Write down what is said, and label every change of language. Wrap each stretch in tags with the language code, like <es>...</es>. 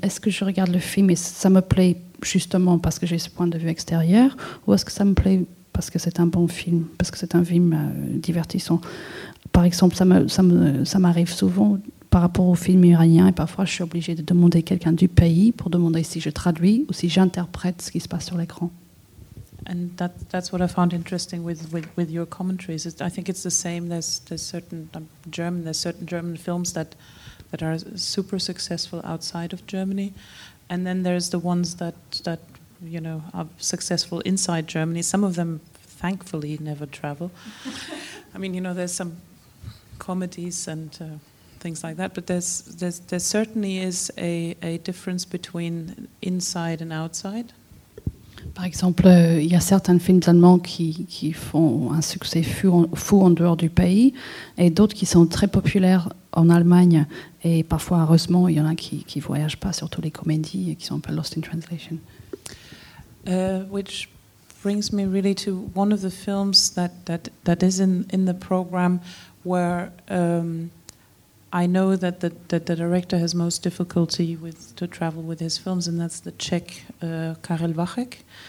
<fr>Est-ce que je regarde le film et ça me plaît justement parce que j'ai ce point de vue extérieur, ou est-ce que ça me plaît parce que c'est un bon film, parce que c'est un film divertissant? Par exemple, ça m'arrive souvent par rapport aux films iraniens, et parfois je suis obligée de demander à quelqu'un du pays pour demander si je traduis ou si j'interprète ce qui se passe sur l'écran.</fr> <en>And that's what I found interesting with your commentaries. I think it's the same. There's certain German films that are super successful outside of Germany, and then there's the ones that you know are successful inside Germany. Some of them, thankfully, never travel. I mean, you know, there's some comedies and things like that, but there certainly is a difference between inside and outside.</en> <fr>Par exemple, il y a certains films allemands qui font un succès fou en dehors du pays, et d'autres qui sont très populaires en Allemagne. Et parfois, heureusement, il y en a qui voyagent pas, surtout les comédies, et qui sont un peu</fr> <en>lost in translation. Which brings me really to one of the films that is in the program, where I know that the director has most difficulty to travel with his films, and that's the Czech Karel Vachek.</en>